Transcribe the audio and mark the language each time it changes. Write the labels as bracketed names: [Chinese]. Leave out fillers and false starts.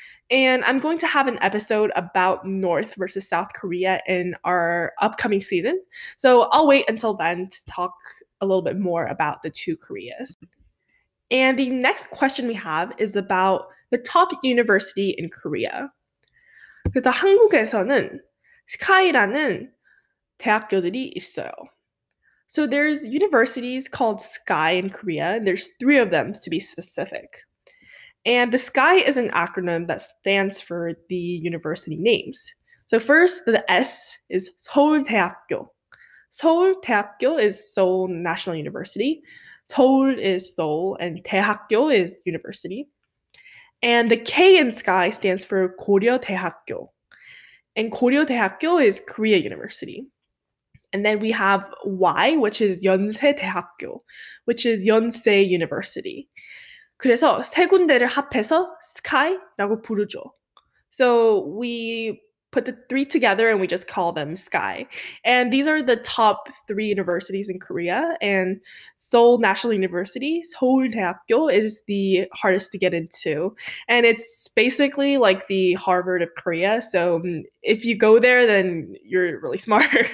[English] And I'm going to have an episode about North versus South Korea in our upcoming season. So I'll wait until then to talk a little bit more about the two Koreas. And the next question we have is about the top university in Korea. [Korean] 그래서 한국에서는 Sky라는 대학교들이 있어요. [English] So there's universities called Sky in Korea, and there's three of them to be specific. And the Sky is an acronym that stands for the university names. So first, the S is 서울대학교. 서울대학교 is Seoul National University. 서울 is Seoul, and 대학교 is university. And the K in Sky stands for 고려대학교. And 고려대학교 is Korea University. And then we have Y, which is 연세대학교, which is Yonsei University. [Korean] 그래서 세 군데를 합해서 Sky라고 부르죠. [English] So we put the three together and we just call them Sky. And these are the top three universities in Korea. And Seoul National University, 서울대학교, is the hardest to get into. And it's basically like the Harvard of Korea. So if you go there, then you're really smart.